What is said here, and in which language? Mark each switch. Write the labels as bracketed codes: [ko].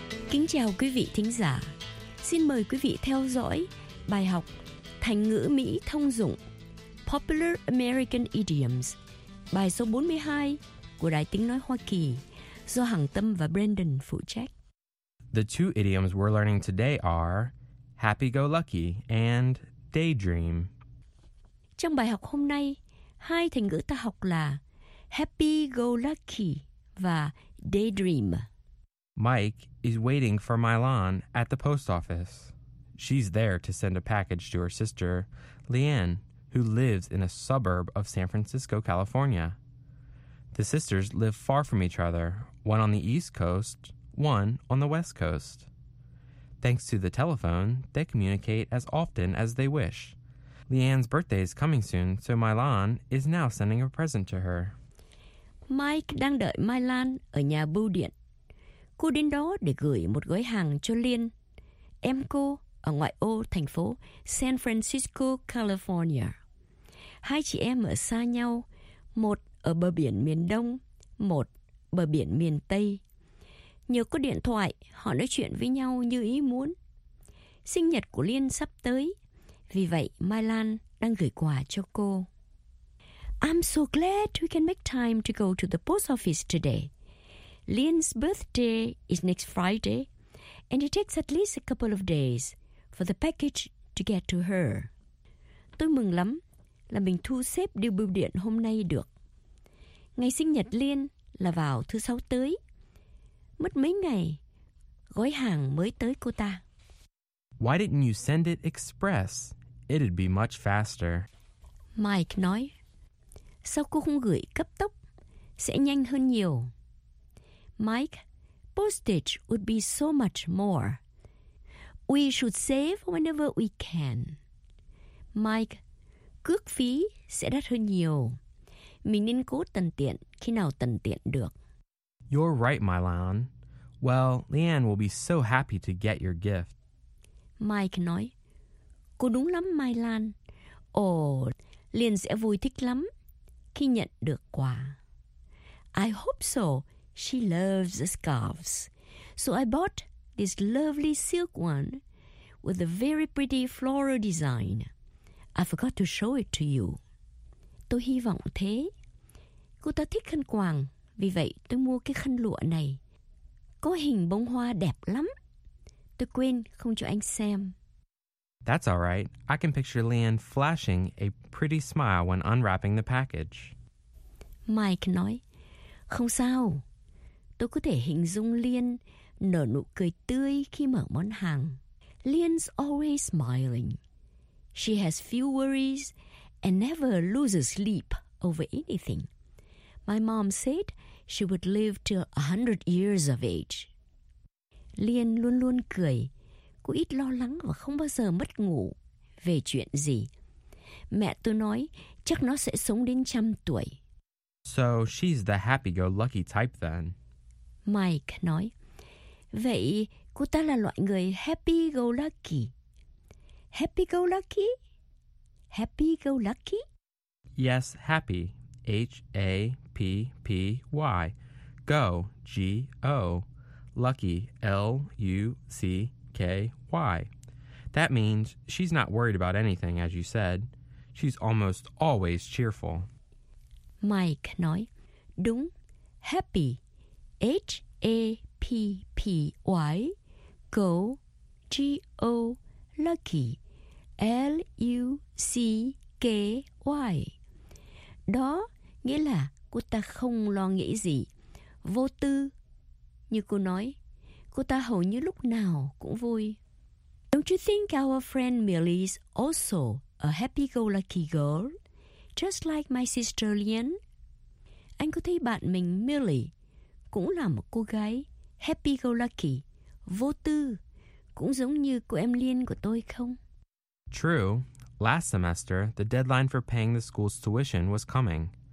[vi] Kính chào quý vị thính giả. Xin mời quý vị theo dõi bài học thành ngữ Mỹ thông dụng Popular American Idioms, bài số 42 của Đài Tiếng Nói Hoa Kỳ, do Hằng Tâm và Brandon phụ trách. [en] The two idioms we're learning today are happy-go-lucky and daydream. [vi] Trong bài học hôm nay, hai thành ngữ ta học là happy-go-lucky và daydream. [en] Mike is waiting for Milan at the post office. She's there to send a package to her sister, Leanne, who lives in a suburb of San Francisco, California. The sisters live far from each other, one on the East Coast, one on the West Coast. Thanks to the telephone, they communicate as often as they wish. Leanne's birthday is coming soon, so Milan is now sending a present to her. [vi] Mike đang đợi Milan ở nhà bưu điện. Cô đến đó để gửi một gói hàng cho Liên, em cô ở ngoại ô thành phố San Francisco, California. Hai chị em ở xa nhau, một ở bờ biển miền Đông, một bờ biển miền Tây. Nhờ có điện thoại, họ nói chuyện với nhau như ý muốn. Sinh nhật của Liên sắp tới, vì vậy Mai Lan đang gửi quà cho cô. [en] I'm so glad we can make time to go to the post office today. Liên's birthday is next Friday, and it takes at least a couple of days for the package to get to her. [vi] Tôi mừng lắm là mình thu xếp điều bưu điện hôm nay được. Ngày sinh nhật Liên là vào thứ sáu tới. Mất mấy ngày, gói hàng mới tới cô ta. [en] Why didn't you send it express? It'd be much faster. [vi] Mike nói, sao cô không gửi cấp tốc? Sẽ nhanh hơn nhiều. [en] Mike, postage would be so much more. We should save whenever we can. [vi] Mike, cước phí sẽ đắt hơn nhiều. Mình nên cố tận tiện khi nào tận tiện được. [en] You're right, Milan. Well, Leanne will be so happy to get your gift. [vi] Mike nói, cô đúng lắm, Milan. Ồ, Liên sẽ vui thích lắm khi nhận được quà. [en] I hope so. She loves the scarves. So I bought this lovely silk one with a very pretty floral design. I forgot to show it to you. [vi] Tôi hy vọng thế. Cô ta thích khăn quàng, vì vậy tôi mua cái khăn lụa này. Có hình bông hoa đẹp lắm. Tôi quên không cho anh xem. [en] That's all right. I can picture Leanne flashing a pretty smile when unwrapping the package. [vi] Mike nói, không sao. Tôi có thể hình dung Leanne nở nụ cười tươi khi mở món hàng. [en] Leanne's always smiling. She has few worries and never loses sleep over anything. My mom said she would live till 100 years of age. [vi] Leanne luôn luôn cười. Cô ít lo lắng và không bao giờ mất ngủ. Về chuyện gì? Mẹ tôi nói chắc nó sẽ sống đến 100 tuổi. [en] So she's the happy-go-lucky type then. [vi] Mike nói. Vậy cô ta là loại người happy-go-lucky. [en] Happy-go-lucky? Happy-go-lucky? Yes, happy. H-A-P-P-Y. Go, G-O. Lucky, L-U-C-K-Y. That means she's not worried about anything, as you said. She's almost always cheerful. [vi] Mike nói, đúng, happy, H-A-P-P-Y, go, G-O, lucky, L-U-C-K-Y. Đó nghĩa là cô ta không lo nghĩ gì, vô tư. Như cô nói, cô ta hầu như lúc nào cũng vui. [en] Don't you think our friend Millie is also a happy-go-lucky girl, just like my sister Leanne? [vi] Anh có thấy bạn mình Millie cũng là một cô gái happy-go-lucky, vô tư, cũng giống như cô em Liên của tôi không? [en] True. Last semester, the deadline for paying the school's tuition was coming.